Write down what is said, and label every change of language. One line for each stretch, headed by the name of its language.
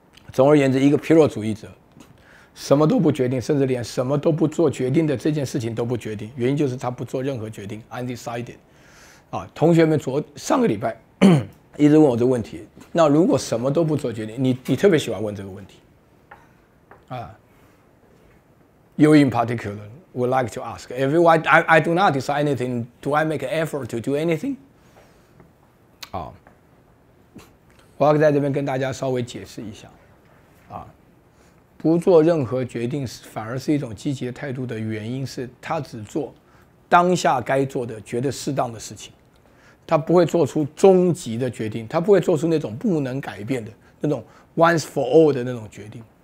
Chinese: 总而言之，一个皮弱主义者什么都不决定，甚至连什么都不做决定的这件事情都不决定，原因就是他不做任何决定， undecided。同学们上个礼拜一直问我这个问题，那如果什么都不做决定， 你特别喜欢问这个问题啊。
English: You in particular would like to ask, if I do not decide anything, do I make an effort to do anything?
Chinese: 我要在这边跟大家稍微解释一下啊，不做任何决定反而是一种积极的态度的原因是，他只做当下该做的觉得适当的事情，他不会做出终极的决定，他不会做出那种不能改变的那种
English: once for all
Chinese: 的那种决定。